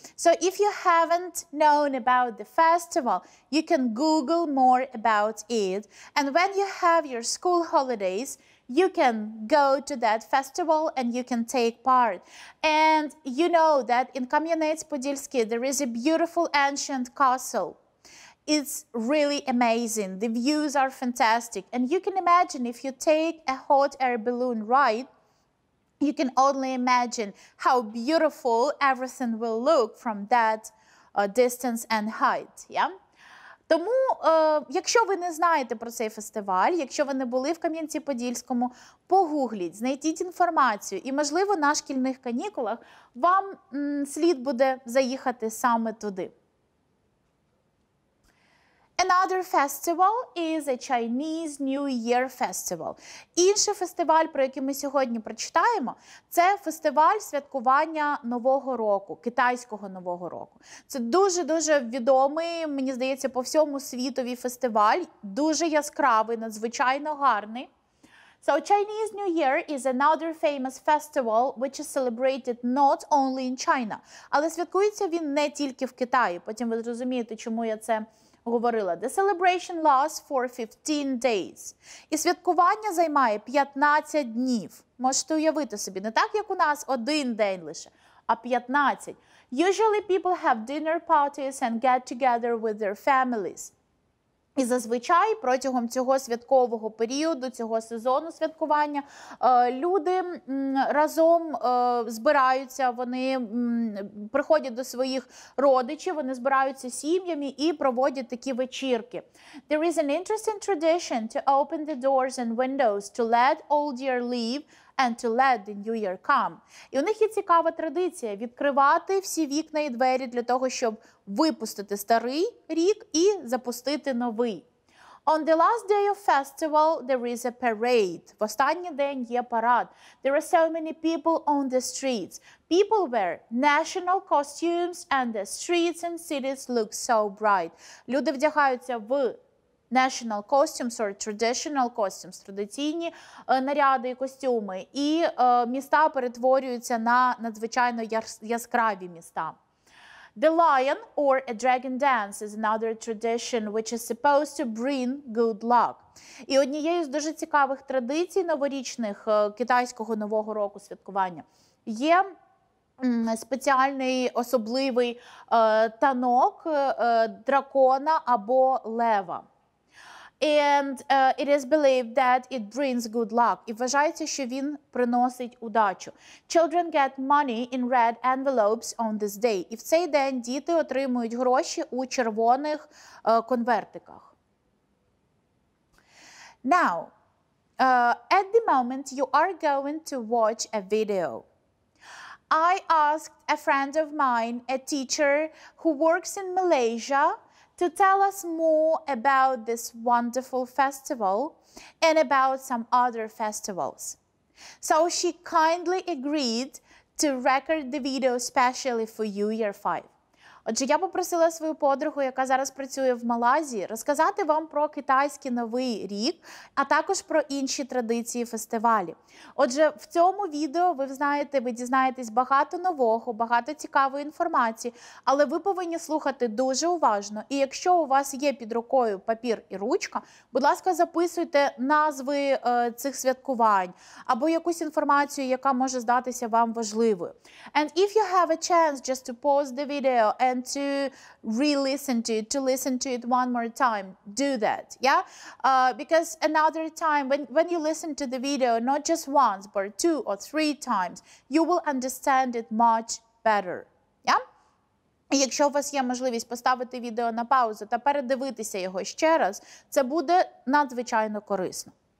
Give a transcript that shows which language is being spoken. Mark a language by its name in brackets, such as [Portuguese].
[English] So if you haven't known about the festival, you can Google more about it. And when you have your school holidays, you can go to that festival and you can take part. And you know that in Кам'янець-Подільський there is a beautiful ancient castle. It's really amazing. The views are fantastic. And you can imagine if you take a hot air balloon ride, you can only imagine how beautiful everything will look from that distance and height. Yeah? [Ukrainian] Тому, якщо ви не знаєте про цей фестиваль, якщо ви не були в Кам'янці-Подільському, погугліть, знайдіть інформацію. І, можливо, на шкільних канікулах вам слід буде заїхати саме туди. [English] Another festival is a Chinese New Year festival. [Ukrainian] Інший фестиваль, про який ми сьогодні прочитаємо, це фестиваль святкування Нового року, китайського Нового року. Це дуже-дуже відомий, мені здається, по всьому світові фестиваль, дуже яскравий, надзвичайно гарний. [English] So Chinese New Year is another famous festival, which is celebrated not only in China. [Ukrainian] Але святкується він не тільки в Китаї. Потім ви зрозумієте, чому я це говорила. [English] The celebration lasts for 15 days. [Ukrainian] І святкування займає 15 днів. Можете уявити собі, не так, як у нас один день лише, а 15. [English] Usually people have dinner parties and get together with their families. [Ukrainian] І зазвичай протягом цього святкового періоду, цього сезону святкування, люди разом збираються, вони приходять до своїх родичів, вони збираються сім'ями і проводять такі вечірки. [English] There is an interesting tradition to open the doors and windows to let old year leave and to let the new year come. [Ukrainian] І у них є цікава традиція відкривати всі вікна і двері для того, щоб випустити старий рік і запустити новий. [English] On the last day of festival, there is a parade. [Ukrainian] В останній день є парад. [English] There are so many people on the streets. People wear national costumes and the streets and cities look so bright. [Ukrainian] Люди вдягаються в [English] national costumes or traditional costumes, [Ukrainian] традиційні наряди і костюми. І міста перетворюються на надзвичайно яскраві міста. [English] The lion or a dragon dance is another tradition which is supposed to bring good luck. [Ukrainian] І однією з дуже цікавих традицій новорічних китайського нового року святкування є спеціальний особливий танок дракона або лева. [English] And it is believed that it brings good luck. [Ukrainian] І вважається, що він приносить удачу. [English] Children get money in red envelopes on this day. [Ukrainian] І в цей день діти отримують гроші у червоних конвертиках. [English] Now, at the moment you are going to watch a video. I asked a friend of mine, a teacher who works in Malaysia, to tell us more about this wonderful festival and about some other festivals. So she kindly agreed to record the video specially for you, year 5. [Ukrainian] Отже, я попросила свою подругу, яка зараз працює в Малайзії, розказати вам про китайський Новий рік, а також про інші традиції фестивалі. Отже, в цьому відео ви знаєте, ви дізнаєтесь багато нового, багато цікавої інформації, але ви повинні слухати дуже уважно. І якщо у вас є під рукою папір і ручка, будь ласка, записуйте назви цих святкувань або якусь інформацію, яка може здатися вам важливою. [English] And if you have a chance just to pause the video and to re-listen to it, to listen to it one more time, do that, yeah? Because another time, when you listen to the video, not just once, but two or three times, you will understand it much better, yeah? [Ukrainian] І якщо у вас є можливість поставити відео на паузу та передивитися його ще раз, [English] це буде надзвичайно корисно.